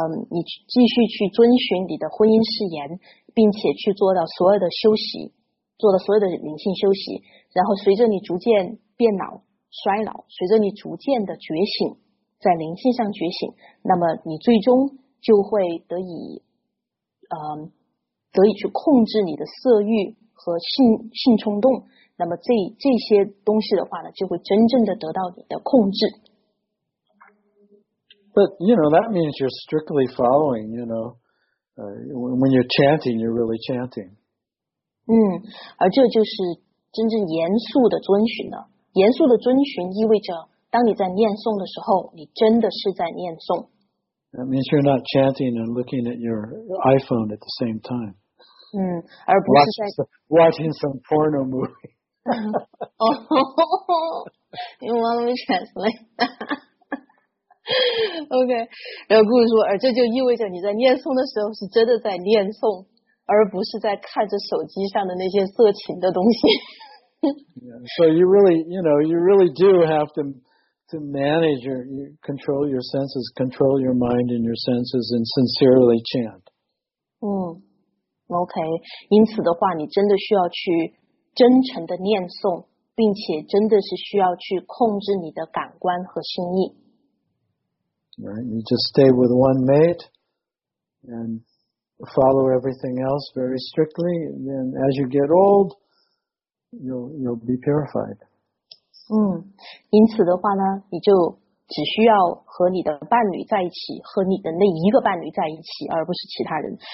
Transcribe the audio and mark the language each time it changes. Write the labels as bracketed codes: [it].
[zh] 你继续去遵循你的婚姻誓言，并且去做到所有的休息，做到所有的灵性休息，然后随着你逐渐变老衰老，随着你逐渐的觉醒，在灵性上觉醒，那么你最终就会得以得以去控制你的色欲和性冲动，那么这些东西的话呢，就会真正的得到你的控制。 [en] But you know that means you're strictly following. You know, when you're chanting, you're really chanting. [zh] 而这就是真正严肃的遵循了。严肃的遵循意味着，当你在念诵的时候，你真的是在念诵。 [en] That means you're not chanting and looking at your iPhone at the same time. [zh] 而不是在 [en] watching some porno movie. Oh, you want me translate? [zh] OK, 然后顾问说，而这就意味着你在念诵的时候是真的在念诵，而不是在看着手机上的那些色情的东西。 [en] So you really, you know, you really do have to manage your control your senses, control your mind and your senses, and sincerely chant. [zh] OK, 因此的话，你真的需要去真诚的念诵，并且真的是需要去控制你的感官和心意。 [en] Right, you just stay with one mate and follow everything else very strictly. And then, as you get old, you'll be purified. [zh] 因此的话呢，你就只需要和你的伴侣在一起，和你的那一个伴侣在一起，而不是其他人。